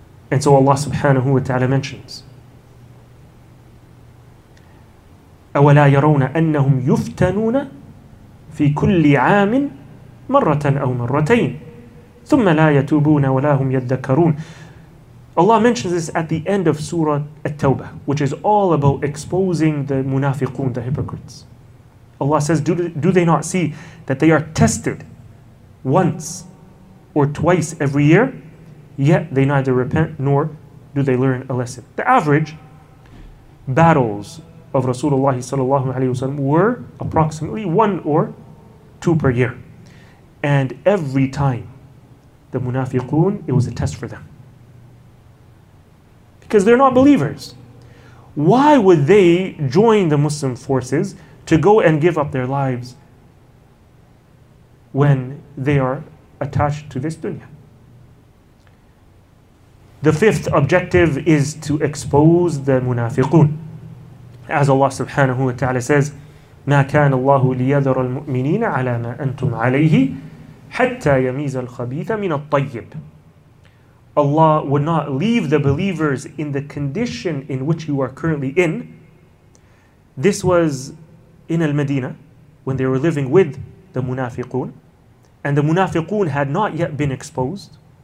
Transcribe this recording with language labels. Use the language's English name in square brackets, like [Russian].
[English] And so Allah subhanahu wa ta'ala mentions, [Arabic] أَوَلَا يَرَوْنَ أَنَّهُمْ يُفْتَنُونَ فِي كُلِّ عَامٍ مَرَّةً أَوْ مَرَّتَيْنِ ثُمَّ لَا يَتُوبُونَ وَلَا هُمْ يَذَّكَّرُونَ. [English] Allah mentions this at the end of Surah At-Tawbah, which is all about exposing the munafiqun, the hypocrites. Allah says, do they not see that they are tested once or twice every year, yet they neither repent nor do they learn a lesson? The average battles of Rasulullah sallallahu alayhi wa sallam were approximately one or two per year. And every time, the munafiqun, it was a test for them, because they're not believers. Why would they join the Muslim forces to go and give up their lives when they are attached to this dunya? The fifth objective is to expose the munafiqun. As Allah subhanahu wa ta'ala says, [Arabic] مَا كَانَ اللَّهُ لِيَذَرَ الْمُؤْمِنِينَ عَلَى مَا أَنْتُمْ عَلَيْهِ حَتَّى يَمِيزَ الْخَبِيثَ مِنَ الطَّيِّبِ. [English] Allah would not leave the believers in the condition in which you are currently in. This was in Al-Madinah, when they were living with the munafiqun, and the munafiqun had not yet been exposed.